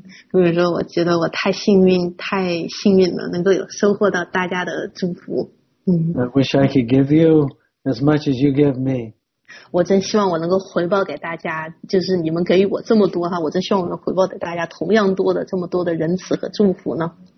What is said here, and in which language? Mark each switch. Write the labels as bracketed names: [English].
[Chinese] 所以说，我觉得我太幸运了，能够有收获到大家的祝福。 [English] I wish I could give you as much as you give me. [Chinese] 我真希望我能够回报给大家，就是你们给予我这么多哈，我真希望我能回报给大家同样多的这么多的仁慈和祝福呢。